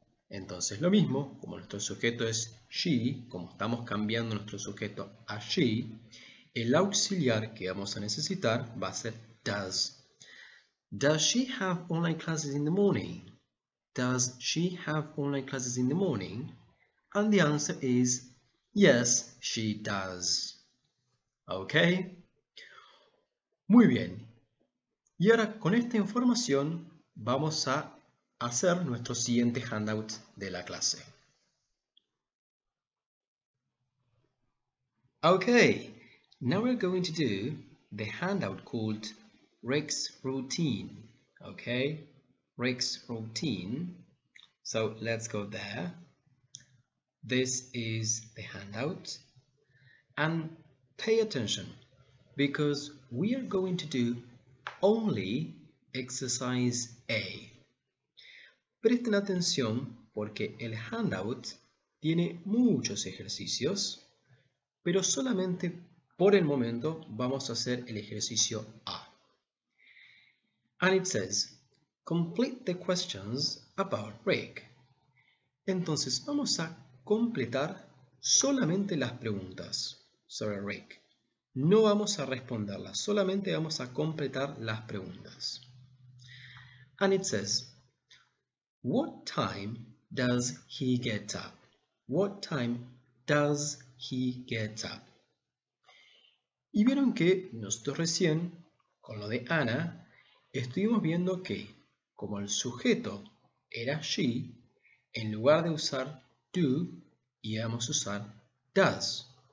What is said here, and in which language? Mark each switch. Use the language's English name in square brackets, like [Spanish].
[Spanish] Entonces lo mismo, como nuestro sujeto es she, como estamos cambiando nuestro sujeto a she, el auxiliar que vamos a necesitar va a ser does. [English] Does she have online classes in the morning? Does she have online classes in the morning? And the answer is yes, she does. [Spanish] ¿Ok? Muy bien. Y ahora con esta información vamos a hacer nuestro siguiente handout de la clase. ¿Ok? [English] Now we're going to do the handout called Rick's Routine. Okay? Rick's Routine. So let's go there. This is the handout. And pay attention, because we are going to do only exercise A. [Spanish] Presten atención, porque el handout tiene muchos ejercicios, pero solamente por el momento, vamos a hacer el ejercicio A. [English] And it says, complete the questions about Rick. [Spanish] Entonces, vamos a completar solamente las preguntas sobre Rick. No vamos a responderlas, solamente vamos a completar las preguntas. [English] And it says, what time does he get up? What time does he get up? [Spanish] Y vieron que nosotros recién, con lo de Ana, estuvimos viendo que, como el sujeto era she, en lugar de usar do, íbamos a usar does.